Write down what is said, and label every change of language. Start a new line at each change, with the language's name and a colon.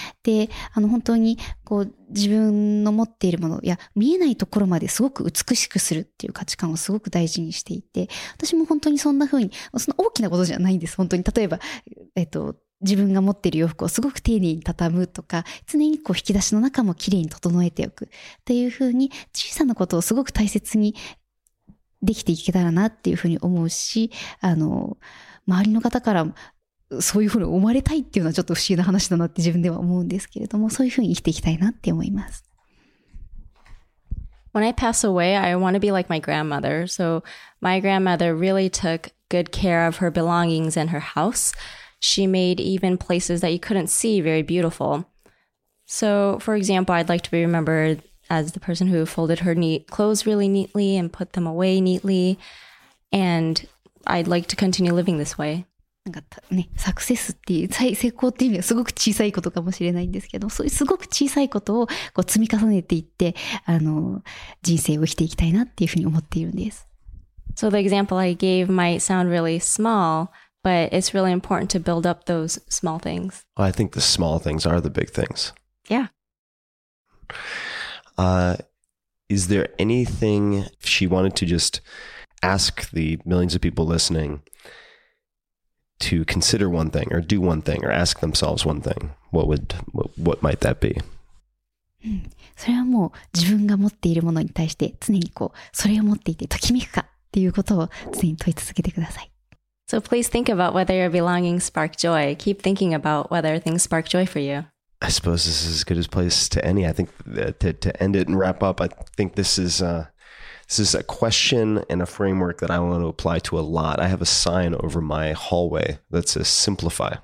Japanese: で、本当にこう自分の持っているものや見えないところまですごく美しくするっていう価値観をすごく大事にしていて、私も本当にそんな風に、そんな大きなことじゃないんです。本当に例えば、自分が持っている洋服をすごく丁寧に畳むとか、常にこう引き出しの中もきれいに整えておくっていう風に、小さなことをすごく大切にできていけたらなっていう風に思うし、周りの方からも。そういうふうに思われたいっていうのはちょっと不思議な話だなって自分では思うんですけれども、そういうふうに生きていきたいなって思います。
English: When I pass away, I want to be like my grandmother. So my grandmother really took good care of her belongings and her house. She made even places that you couldn't see very beautiful. So for example, I'd like to be remembered as the person who folded her neat clothes really neatly and put them away neatly. And I'd like to continue living this way.
Japanese: なんかね、サクセスっていう成功っていう意味はすごく小さいことかもしれないんですけど、そういうすごく小さいことをこう積み重ねていって、あの、人生を生きていきたいなっていうふうに思っているんです。
English: So the example I gave might sound really small, but it's really important to build up those small things. I think the small things are the big things. Yeah. Is there anything she wanted to just ask the millions of people listening? To consider one thing or do one thing or ask themselves one thing, what might that be?
Japanese: それはもう自分が持っているものに対して常にこうそれを持っていてときめくかっていうことを常に問い続けてください。
English: So please think about whether your belongings spark joy. Keep thinking about whether things spark joy for you. I suppose this is as good a place to any. I think to end it and wrap up, I think this is a question and a framework that I want to apply to a lot. I have a sign over my hallway that says Simplify.